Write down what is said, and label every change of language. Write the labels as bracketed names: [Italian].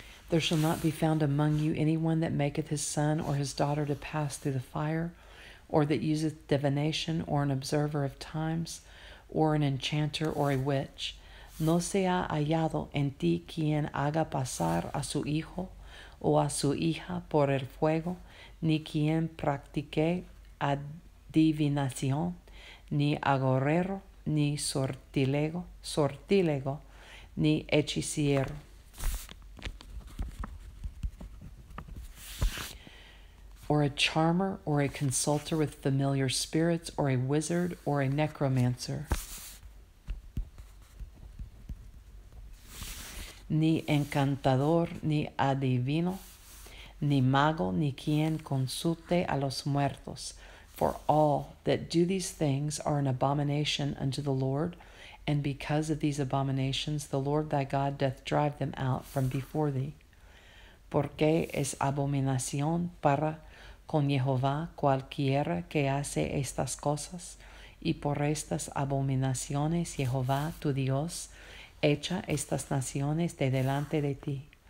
[English] There shall not be found among you any one that maketh his son or his daughter to pass through the fire, or that useth divination, or an observer of times, or an enchanter, or a witch. [Spanish] No sea hallado en ti quien haga pasar a su hijo o a su hija por el fuego, ni quien practique adivinación, ni agorero, ni sortilego, ni hechicero. [English] Or a charmer, or a consulter with familiar spirits, or a wizard, or a necromancer. [Spanish] Ni encantador, ni adivino, ni mago, ni quien consulte a los muertos. [English] For all that do these things are an abomination unto the Lord, and because of these abominations the Lord thy God doth drive them out from before thee. [Spanish] Porque es abominación para con Jehová cualquiera que hace estas cosas, y por estas abominaciones Jehová tu Dios echa estas naciones de delante de ti.